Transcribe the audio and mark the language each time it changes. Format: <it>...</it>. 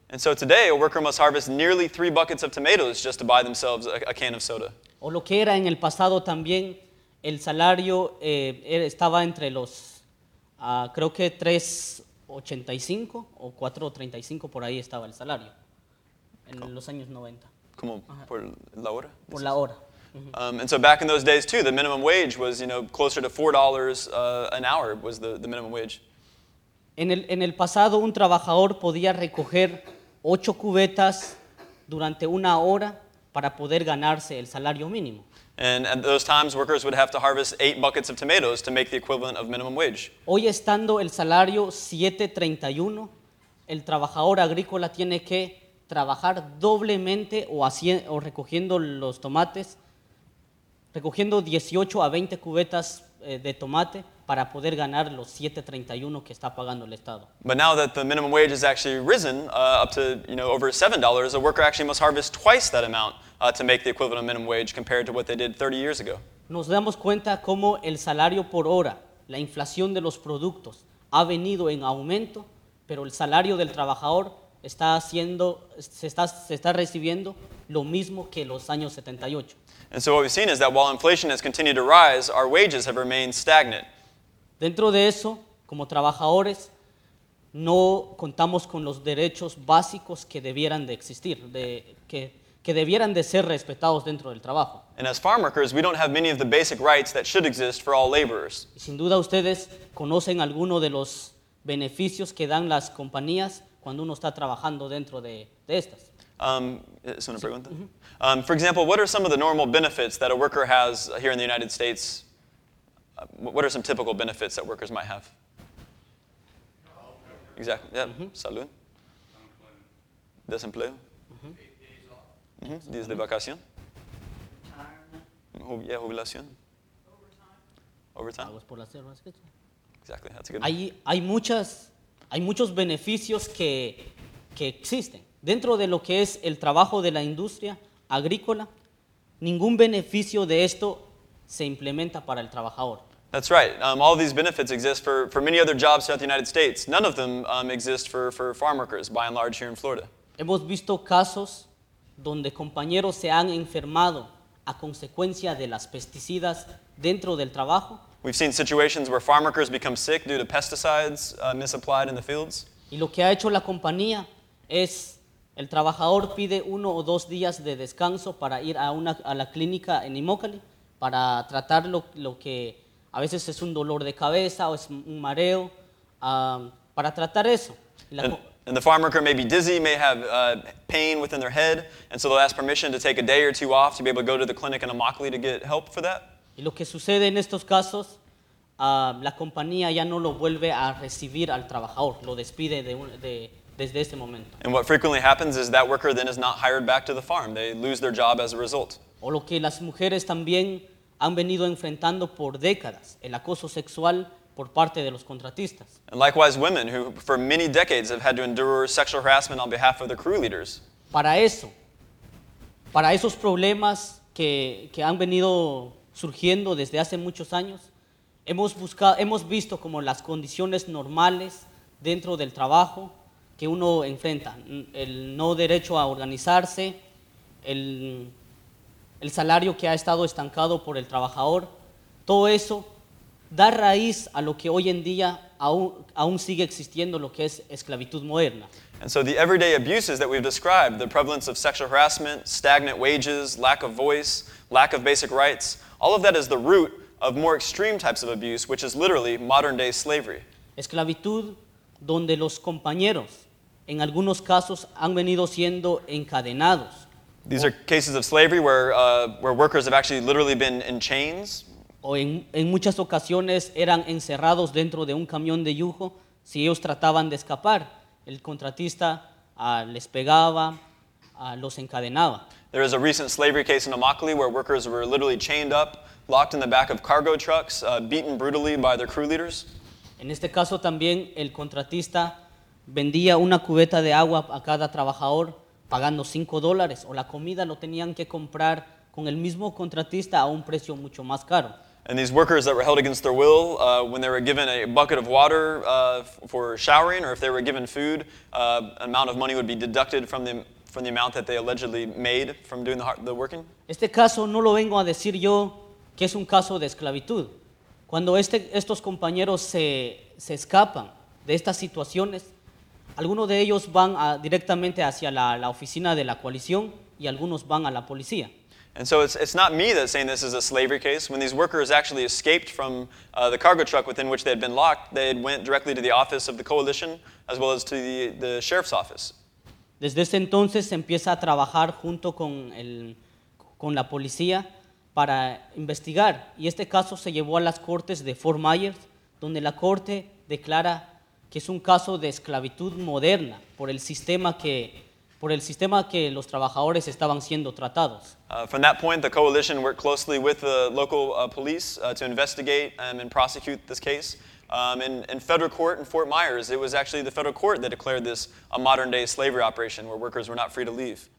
<en>And so today, a worker must harvest nearly three buckets of tomatoes just to buy themselves a can of soda.</en> <es>O lo que era en el pasado también, el salario estaba entre los, creo que 3.85 o 4.35, por ahí estaba el salario, en los años 90. ¿Cómo? ¿Por la hora? Por la hora.</es> <en>And so back in those days too, the minimum wage was, closer to $4 an hour was the minimum wage.</en> <es>En el pasado, un trabajador podía recoger 8 cubetas durante una hora para poder ganarse el salario mínimo.</es> <en>And at those times, workers would have to harvest 8 buckets of tomatoes to make the equivalent of minimum wage.</en> <es>Hoy estando el salario 7.31, el trabajador agrícola tiene que trabajar doblemente o recogiendo los tomates, recogiendo 18 a 20 cubetas de tomate para poder ganar los 7.31 que está pagando el Estado.</es> <en>But now that the minimum wage has actually risen up to, over $7, a worker actually must harvest twice that amount to make the equivalent of minimum wage compared to what they did 30 years ago.</en> <es>Nos damos cuenta cómo el salario por hora, la inflación de los productos, ha venido en aumento, pero el salario del trabajador se está recibiendo lo mismo que los años 78.</es> <en>And so what we've seen is that while inflation has continued to rise, our wages have remained stagnant.</en> <es>Dentro de eso, como trabajadores, no contamos con los derechos básicos que debieran de existir, que debieran de ser respetados dentro del trabajo.</es> <en>And as farm workers, we don't have many of the basic rights that should exist for all laborers.</en> <es>Y sin duda ustedes conocen alguno de los beneficios que dan las compañías cuando uno está trabajando dentro de estas. ¿Es una pregunta? Sí. Mm-hmm.</es> <en>For example, what are some of the normal benefits that a worker has here in the United States? What are some typical benefits that workers might have? Exactly. Yeah.</en> <es>Mm-hmm. Salud. Desempleo. Mm-hmm. Mm-hmm. Días de vacación.</es> <en>Retirement.</en> <es>Jubilación.</es> <en>Overtime.</en> <es>Pagos por las tierras.</es> <en>Exactly. That's a good.</en> <es>Hay muchos beneficios que existen dentro de lo que es el trabajo de la industria agrícola. Ningún beneficio de esto se implementa para el trabajador.</es> <en>That's right. All of these benefits exist for many other jobs throughout the United States. None of them exist for farm workers, by and large, here in Florida.</en> <es>Hemos visto casos donde compañeros se han enfermado a consecuencia de las pesticidas dentro del trabajo.</es> <en>We've seen situations where farm workers become sick due to pesticides misapplied in the fields.</en> <es>Y lo que ha hecho la compañía es el trabajador pide uno o dos días de descanso para ir a la clínica en Immokalee para tratar lo que a veces es un dolor de cabeza o es un mareo, para tratar eso.</es> <en>And the farm worker may be dizzy, may have pain within their head, and so they'll ask permission to take a day or two off to be able to go to the clinic in Immokalee to get help for that.</en> <es>Y lo que sucede en estos casos, la compañía ya no lo vuelve a recibir al trabajador, lo despide desde este momento.</es> <en>And what frequently happens is that worker then is not hired back to the farm. They lose their job as a result.</en> <es>O lo que las mujeres también han venido enfrentando por décadas, el acoso sexual por parte de los contratistas.</es> <en>And likewise, women who for many decades have had to endure sexual harassment on behalf of the crew leaders.</en> <es>Para eso, para esos problemas que han venido surgiendo desde hace muchos años, hemos visto como las condiciones normales dentro del trabajo que uno enfrenta, el no derecho a organizarse, el salario que ha estado estancado por el trabajador, todo eso da raíz a lo que hoy en día aún sigue existiendo, lo que es esclavitud moderna.</es> <en>And so the everyday abuses that we've described, the prevalence of sexual harassment, stagnant wages, lack of voice, lack of basic rights, all of that is the root of more extreme types of abuse, which is literally modern-day slavery.</en> <es>Esclavitud donde los compañeros, en algunos casos, han venido siendo encadenados.</es> <en>These are cases of slavery where workers have actually literally been in chains.</en> <es>O en muchas ocasiones eran encerrados dentro de un camión de yugo si ellos trataban de escapar. El contratista les pegaba, los encadenaba.</es> <en>There is a recent slavery case in Immokalee where workers were literally chained up, locked in the back of cargo trucks, beaten brutally by their crew leaders.</en> <es>En este caso también el contratista vendía una cubeta de agua a cada trabajador pagando $5, o la comida lo tenían que comprar con el mismo contratista a un precio mucho más caro.</es> <en>And these workers that were held against their will, when they were given a bucket of water for showering, or if they were given food, an amount of money would be deducted from the amount that they allegedly made from doing the working.</en> <es>Este caso no lo vengo a decir yo que es un caso de esclavitud. Cuando estos compañeros se escapan de estas situaciones, algunos de ellos van directamente hacia la oficina de la coalición y algunos van a la policía.</es> <en>And so it's not me that's saying this is a slavery case. When these workers actually escaped from the cargo truck within which they had been locked, they had went directly to the office of the coalition as well as to the sheriff's office.</en> <es>Desde ese entonces se empieza a trabajar junto con la policía para investigar. Y este caso se llevó a las cortes de Fort Myers, donde la corte declara que es un caso de esclavitud moderna por el sistema que los trabajadores estaban siendo tratados.</es> <en>From that point, the coalition worked closely with the local police to investigate and prosecute this case. In federal court in Fort Myers, it was actually the federal court that declared this a modern-day slavery operation where workers were not free to leave.</en>